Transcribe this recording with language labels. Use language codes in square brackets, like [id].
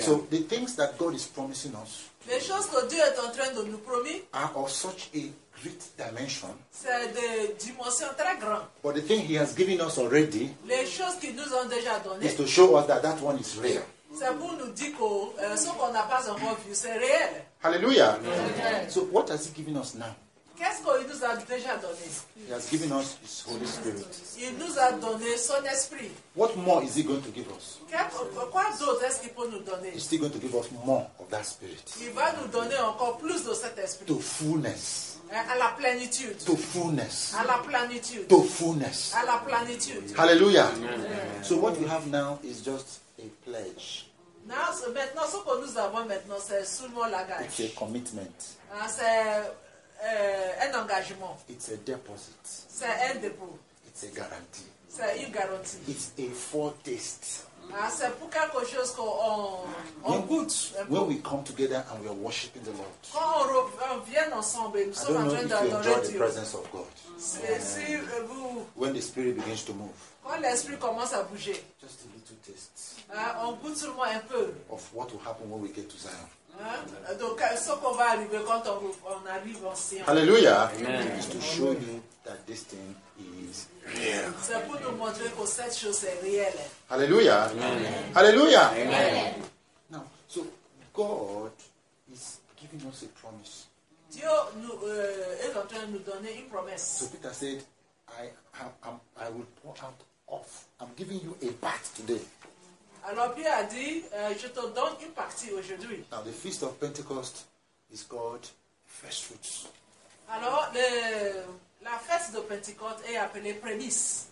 [en] So the things that God is promising us, [fr] les choses que Dieu est en train de nous promettre, [en] are of such a great dimension. [fr] C'est des dimensions très grandes. [en] But the thing He has given us already, [fr] les choses qu'il nous a déjà donné, [en] is to show us that that one is real. [fr] C'est pour nous dire que ce qu'on n'a pas encore vu, c'est réel. Hallelujah. Amen. [en] So what has He given us now? [fr] Qu'est-ce qu'il nous a déjà donné? [en] He has given us His Holy Spirit. [fr] Il nous a donné son esprit. [en] What more is He going to give us? [fr] Quoi d'autre est-ce qu'il peut nous donner? [en] He's still going to give us more of that Spirit. [fr] Il va nous donner encore plus de cet esprit. [en] To fullness. [fr] À la plénitude. [en] To fullness. [fr] À la plénitude. [en] To fullness. [fr] À la plénitude. Hallelujah. Amen. [en] So what we have now is just a pledge. Now, so [fr] maintenant, ce que nous avons maintenant, c'est seulement la gage. [en] It's a commitment. [fr] C'est un engagement. [en] It's a deposit. [fr] C'est un dépôt. [en] It's a guarantee. [fr] C'est une garantie. [en] It's a foretaste. [fr] C'est pour quelque chose qu'on goûte. [en] When we come together and we are worshiping the Lord. [fr] Quand on vient ensemble, nous sommes en train d'adorer Dieu. [en] I don't know if you enjoy the presence of God. [fr] Si vous. [en] When the Spirit begins to move. [fr] Quand l'esprit commence à bouger. [en] Just a little taste. [fr] On goûte seulement un peu. [en] Of what will happen when we get to Zion. [fr] Donc, ce qu'on va arriver quand on arrive en Sion. Hallelujah. Amen. [en] Is to show you that this thing is real. [fr] C'est pour nous montrer que cette chose est réelle. Hallelujah. Amen. Hallelujah. Amen. [en] Now, so God is giving us a promise. [fr] Dieu est en train de nous donner une promesse. [en] So Peter said, I will pour out off. I'm giving you a bath today. [fr] Alors Pierre a dit, je te donne une partie aujourd'hui. [en] Now the feast of Pentecost is called first fruits. [fr] Alors la fête de Pentecôte est appelée prémisse.